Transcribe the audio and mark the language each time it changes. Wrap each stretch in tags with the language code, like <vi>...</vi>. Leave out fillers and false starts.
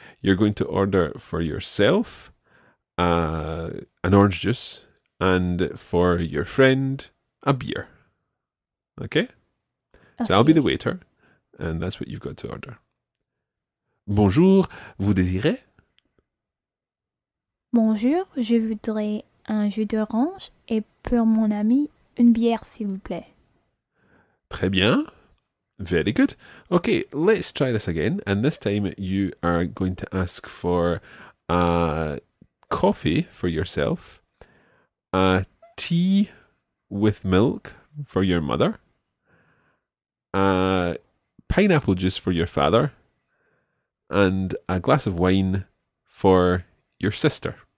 <en>You're going to order for yourself an orange juice and for your friend a beer. Okay? Okay? So I'll be the waiter, and that's what you've got to order.</en> <fr>Bonjour, vous désirez? Bonjour, je voudrais un jus d'orange et pour mon ami, une bière, s'il vous plaît. Très bien. Very good.</fr> <en>Okay, let's try this again. And this time you are going to ask for a coffee for yourself, a tea with milk for your mother, pineapple juice for your father, and a glass of wine for your sister.</en>